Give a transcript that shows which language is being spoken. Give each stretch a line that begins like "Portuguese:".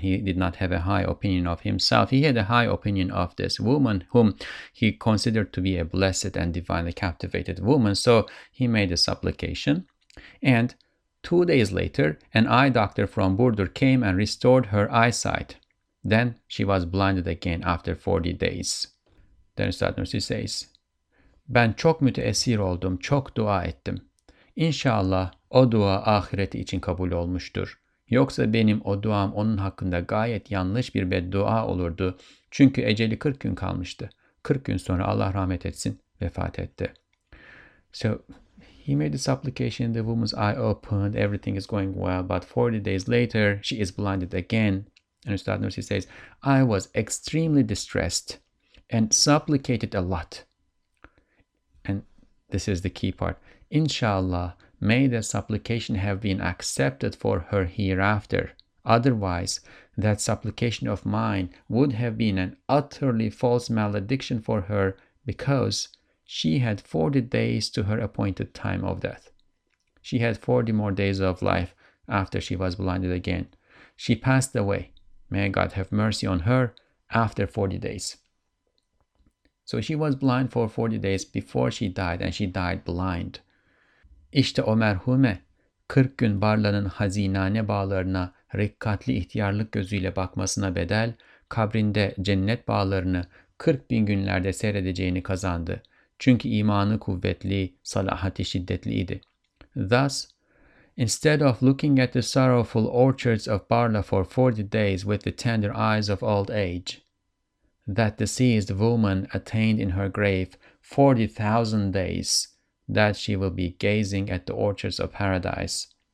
English: He did not have a high opinion of himself. He had a high opinion of this woman whom he considered to be a blessed and divinely captivated woman. So he made a supplication. And 2 days later, an eye doctor from Burdur came and restored her eyesight. Then she was blinded again after 40 days. Then Üstad Nursi says,
Turkish: Ben çok müteessir oldum, çok dua ettim. İnşallah o dua ahireti için kabul olmuştur. Yoksa benim o duam onun hakkında gayet yanlış bir beddua olurdu. Çünkü eceli 40 gün kalmıştı. 40 gün sonra Allah rahmet etsin, vefat etti.
English: So he made the supplication, the woman's eye opened, everything is going well. But 40 days later, she is blinded again. And Üstad Nursi says, I was extremely distressed and supplicated a lot. This is the key part. Inshallah, may the supplication have been accepted for her hereafter. Otherwise, that supplication of mine would have been an utterly false malediction for her because she had 40 days to her appointed time of death. She had 40 more days of life after she was blinded again. She passed away. May God have mercy on her after 40 days. So she was blind for 40 days before she died and she died blind.
Turkish: İşte o merhume 40 gün barlarının hazinane bağlarına rikkatli ihtiyarlık gözüyle bakmasına bedel kabrinde cennet bağlarını 40 bin günlerde seyredeceğini kazandı. Çünkü imanı kuvvetli, salahati şiddetliydi.
English: Thus, instead of looking at the sorrowful orchards of Barla for 40 days with the tender eyes of old age, that deceased woman attained in her grave 40,000 days that she will be gazing at the orchards of paradise.